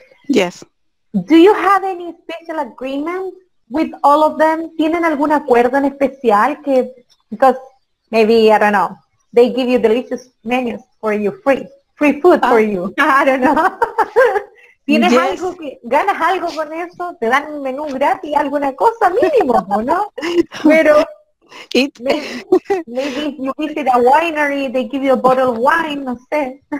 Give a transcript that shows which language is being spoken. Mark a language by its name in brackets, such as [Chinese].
[English] Yes. Do you have any special agreement with all of them? [Spanish] ¿Tienen algún acuerdo en especial? Que, [English] because maybe, I don't know, they give you delicious menus for you, free food for you. I don't know. [Spanish] ¿Tienes algo que, ganas algo con eso? ¿Te dan un menú gratis, alguna cosa mínimo, no? Pero... [English] It maybe you visit a winery, they give you a bottle of wine, [Spanish] no sé.